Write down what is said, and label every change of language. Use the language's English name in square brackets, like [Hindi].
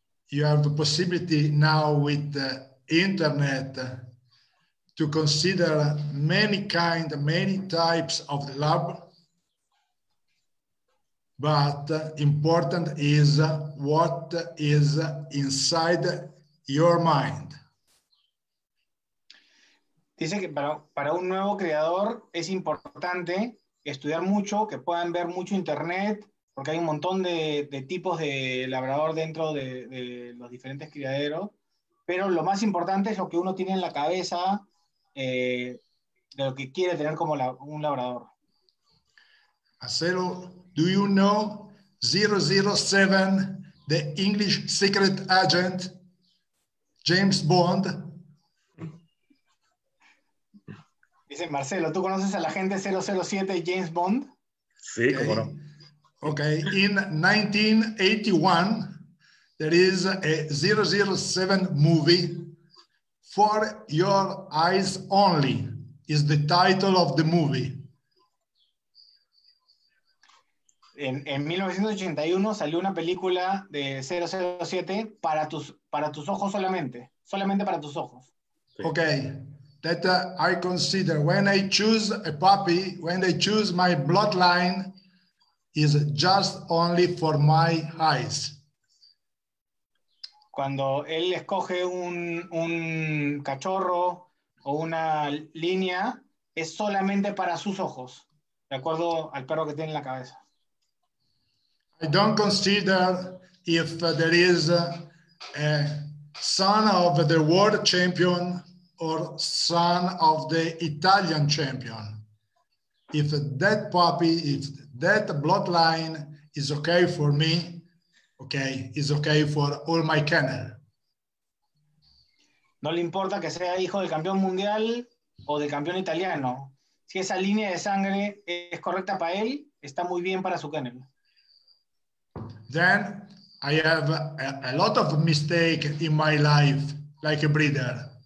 [English] You have the possibility now with the internet to consider many types of lab, but important is what is inside your mind. [Spanish] Dice que para un nuevo creador es importante estudiar mucho, que puedan ver mucho internet, porque hay un montón de tipos de labrador dentro de los diferentes criaderos, pero lo más importante es lo que uno tiene en la cabeza. De lo que quiere tener como un labrador. [English] Acero, do you know 007, the English secret agent, James Bond? [Spanish] Dice Marcelo, ¿tú conoces a la gente 007, James Bond? Sí, okay. ¿Cómo no? [English] Okay, in 1981, there is a 007 movie. For Your Eyes Only is the title of the movie. [Spanish] En 1981 salió una película de 007 para tus ojos solamente para tus ojos. [English] Okay, that I consider when I choose a puppy, when I choose my bloodline, is just only for my eyes. [Spanish] Cuando él escoge un cachorro o una línea, es solamente para sus ojos, de acuerdo al perro que tiene en la cabeza. [English] I don't consider if there is a son of the world champion or son of the Italian champion. If that puppy, if that bloodline is okay for me, okay, it's okay for all my kennel. [Spanish] No le importa que sea hijo del campeón mundial o del campeón italiano. Si esa línea de sangre es correcta para él, está muy bien para su kennel. [English] Then I have a lot of mistakes in my life like a breeder.